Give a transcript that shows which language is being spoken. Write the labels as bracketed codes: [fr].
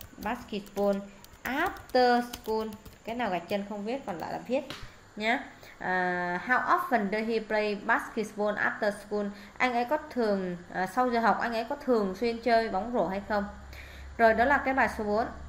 [en] Basketball after school. [vi] Cái nào gạch chân không viết, còn lại là viết nhé. [en] How often does he play basketball after school? [vi] Anh ấy có thường sau giờ học, anh ấy có thường xuyên chơi bóng rổ hay không? Rồi đó là cái bài số 4.